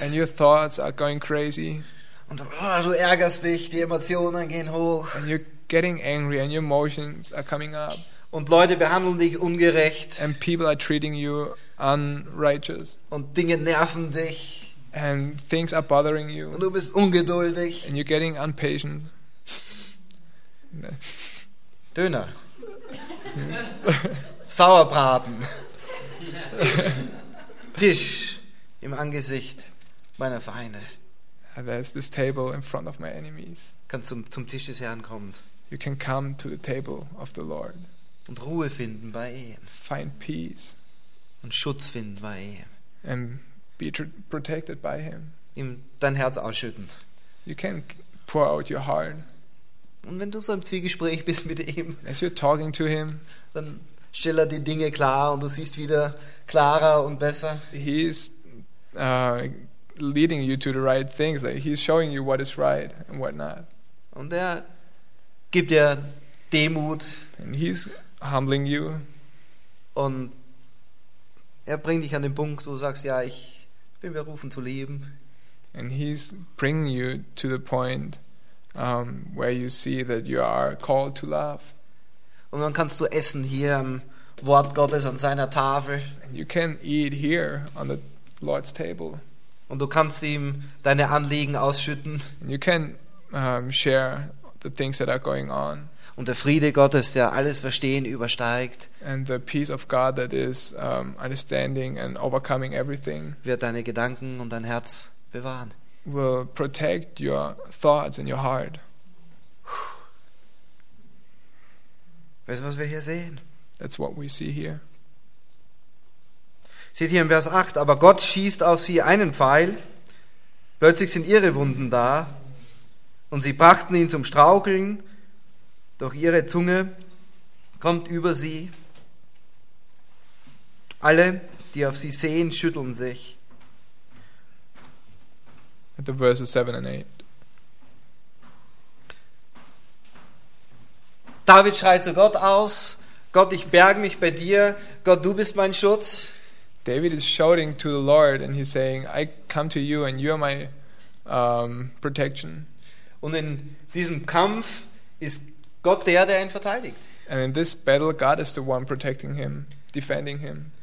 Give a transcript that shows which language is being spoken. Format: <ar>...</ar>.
<en>And your thoughts are going crazy.</en> <de>Und du ärgerst dich, die Emotionen gehen hoch.</de> <en>And you're getting angry and your emotions are coming up.</en> <de>Und Leute behandeln dich ungerecht.</de> <en>And people are treating you unrighteous.</en> <de>Und Dinge nerven dich.</de> <en>And things are bothering you.</en> <de>Und du bist ungeduldig.</de> <en>And you're getting impatient.</en> <de>Döner. Sauerbraten. Tisch im Angesicht meiner Feinde.</de> <en>There's this table in front of my enemies.</en> <de>Kannst zum Tisch des Herrn kommen.</de> <en>You can come to the table of the Lord.</en> <de>Und Ruhe finden bei ihm.</de> <en>Find peace.</en> <de>Und Schutz finden bei ihm.</de> <en>And be protected by him.</en> <de>Ihm dein Herz ausschüttend.</de> <en>You can pour out your heart.</en> <de>Und wenn du so im Zwiegespräch bist mit ihm,</de> <en>as you're talking to him,</en> <de>dann stell er die Dinge klar und du siehst wieder klarer und besser.</de> <en>He's leading you to the right things. Like he's showing you what is right and what not.</en> <de>Und er gibt dir Demut.</de> <en>And he's humbling you.</en> <de>Und er bringt dich an den Punkt, wo du sagst, ja, ich bin berufen zu leben.</de> <en>And he's bringing you to the point where you see that you are called to love.</en> <de>Und dann kannst du essen hier am Wort Gottes an seiner Tafel.</de> <en>And you can eat here on the Lord's table.</en> <de>Und du kannst ihm deine Anliegen ausschütten.</de> <en>And you can share the things that are going on.</en> <de>Und der Friede Gottes, der alles Verstehen übersteigt,</de> <en>and the peace of God that is understanding and overcoming everything,</en> <de>wird deine Gedanken und dein Herz bewahren.</de> <en>Will protect your thoughts and your heart.</en> <de>Weißt du, was wir hier sehen?</de> <en>That's what we see here.</en> <de>Seht hier im Vers 8, aber Gott schießt auf sie einen Pfeil, plötzlich sind ihre Wunden da und sie brachten ihn zum Straucheln, doch ihre Zunge kommt über sie. Alle, die auf sie sehen, schütteln sich.</de> <en>At the verses 7 and 8.</en> <de>David schreit zu Gott aus, Gott, ich berge mich bei dir, Gott, du bist mein Schutz.</de> <en>David is shouting to the Lord and he's saying, I come to you and you are my protection.</en> <de>Und in diesem Kampf ist Gott der, der ihn verteidigt.</de> <en>And in this battle, God is the one protecting him, defending him.</en>